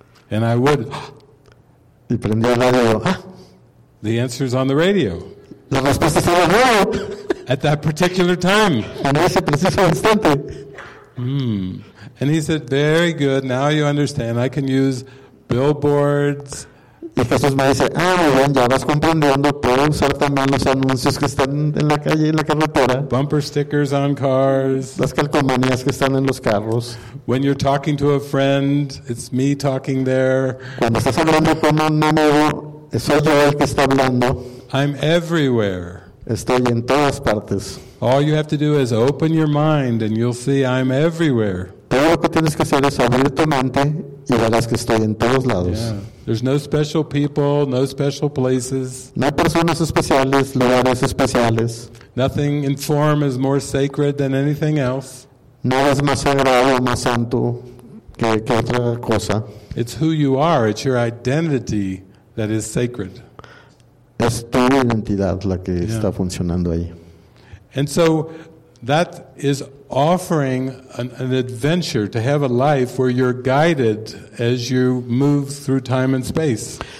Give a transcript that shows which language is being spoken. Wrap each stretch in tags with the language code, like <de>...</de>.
<en>And I would.</en> <es>Y prendí el radio.</es> <en>The answer is on the radio.</en> <es>La respuesta está en el radio.</es> <en>At that particular time.</en> <es>En ese preciso instante.</es> <en>And he said, very good, now you understand. I can use billboards.</en> <es>Y Jesús me dice, ah, muy bien, ya vas comprendiendo, puedo usar también los anuncios que están en la calle y en la carretera.</es> <en>Bumper stickers on cars.</en> <es>Las calcomanías que están en los carros.</es> <en>When you're talking to a friend, it's me talking there.</en> <es>Cuando estás hablando con un amigo, soy yo el que está hablando.</es> <en>I'm everywhere.</en> <es>Estoy en todas partes.</es> <en>All you have to do is open your mind and you'll see I'm everywhere.</en> <es>Todo lo que tienes que hacer es abrir tu mente y verás que estoy en todos lados.</es> <en>Yeah. There's no special people, no special places.</en> <es>No hay personas especiales, lugares especiales.</es> <en>Nothing in form is more sacred than anything else.</en> <es>Nada es más sagrado, más santo que otra cosa.</es> <en>It's who you are, it's your identity that is sacred.</en> <es>Es tu identidad la que</es> <en>yeah.</en> <es>está funcionando ahí.</es> <en>And so that is offering an adventure to have a life where you're guided as you move through time and space.</en>